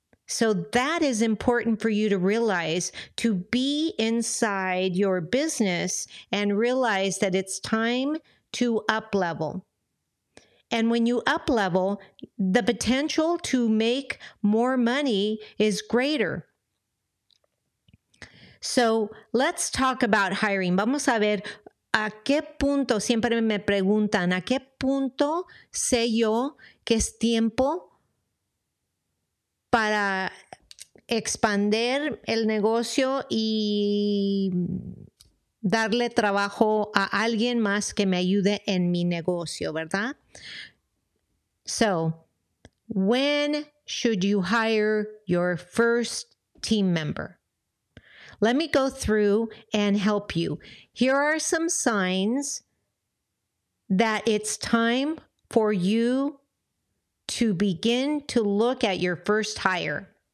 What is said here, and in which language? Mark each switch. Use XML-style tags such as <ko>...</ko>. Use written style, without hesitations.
<en>So that is important for you to realize, to be inside your business and realize that it's time to up level. And when you up level, the potential to make more money is greater. So let's talk about hiring.</en> <es>Vamos a ver a qué punto, siempre me preguntan, a qué punto sé yo que es tiempo para expandir el negocio y darle trabajo a alguien más que me ayude en mi negocio, ¿verdad?</es> <en>So, when should you hire your first team member? Let me go through and help you. Here are some signs that it's time for you to begin to look at your first hire.</en>